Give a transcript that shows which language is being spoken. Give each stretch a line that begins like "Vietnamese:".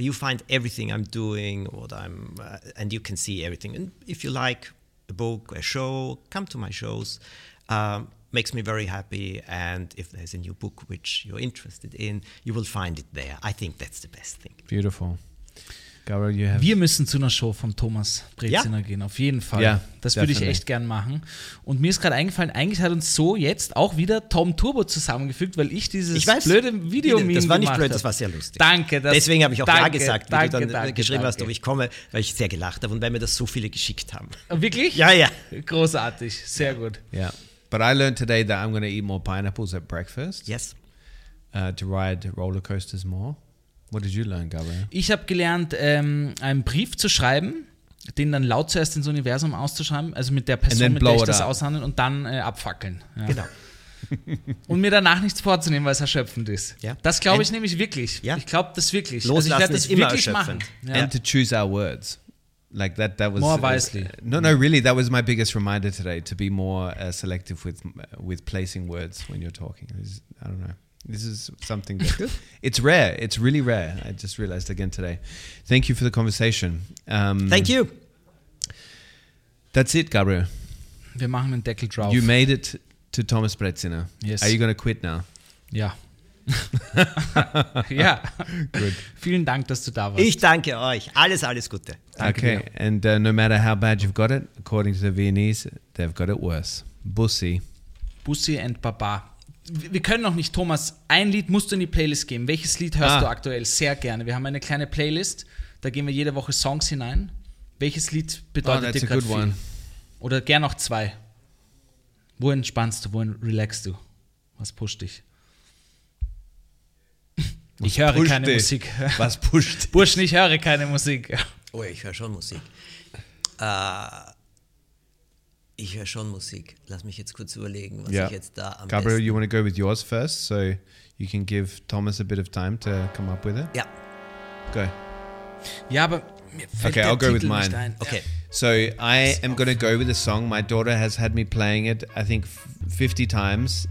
English: You find everything I'm doing, what I'm, and you can see everything. And if you like a book, a show, come to my shows. Makes me very happy. And if there's a new book which you're interested in, you will find it there. I think that's the best thing. Beautiful. Gabriel, you have.
German: Wir müssen zu einer Show von Thomas Breziner gehen, auf jeden Fall.
English: Yeah,
German: das würde ich echt gern machen. Und mir ist gerade eingefallen, eigentlich hat uns so jetzt auch wieder Tom Turbo zusammengefügt, weil ich dieses blöde Video gemacht habe. Das war nicht blöd, das war sehr lustig. Danke. Deswegen habe ich auch ja gesagt, wie du dann geschrieben hast, ob ich komme, weil ich sehr gelacht habe und weil mir das so viele geschickt haben. Wirklich? Ja, ja. Großartig, sehr gut. Ja.
English: But I learned today that I'm going to eat more pineapples at breakfast. Yes. To ride roller coasters more. What did you learn, Gabriel?
German: Ich habe gelernt, einen Brief zu schreiben, den dann laut zuerst ins Universum auszuschreiben, also mit der Person, mit der ich das aushandeln und dann abfackeln. Ja. Genau. Und mir danach nichts vorzunehmen, weil es erschöpfend ist.
English: Yeah.
German: Das glaube ich nämlich wirklich.
English: Yeah.
German: Ich glaube das wirklich. Loslassen, also ich werde das immer wirklich machen.
English: Yeah. And to choose our words. Like that was more wisely. No, really, that was my biggest reminder today, to be more selective with placing words when you're talking. I don't know. This is something that it's rare. It's really rare. I just realized again today. Thank you for the conversation. Thank you. That's it, Gabriel.
German: Wir machen einen Deckel drauf.
English: You made it to Thomas Breziner. Yes. Are you going to quit now? Yeah. Yeah. Good.
German: Vielen Dank, dass du da warst. Ich danke euch. Alles, alles Gute. Danke okay. Dir.
English: And no matter how bad you've got it, according to the Viennese, they've got it worse.
German: Bussi. Bussi and Baba. Wir können noch nicht, Thomas, ein Lied musst du in die Playlist geben. Welches Lied hörst du aktuell? Sehr gerne. Wir haben eine kleine Playlist, da gehen wir jede Woche Songs hinein. Welches Lied bedeutet dir gerade viel? Oder gern noch zwei. Wo entspannst du, wo relaxst du? Was pusht dich? Ich höre keine Musik. Was pusht dich? Burschen, ich höre keine Musik. Oh, ich höre schon Musik. Ich höre schon Musik. Lass mich jetzt kurz überlegen, was ich jetzt da am besten...
English: Gabriel, you want to go with yours first, so you can give Thomas a bit of time to come up with it?
German: Ja.
English: Go.
German: Ja, aber mir fällt der
English: I'll go with mine. Okay. So I am going to go with a song. My daughter has had me playing it, I think, 50 times.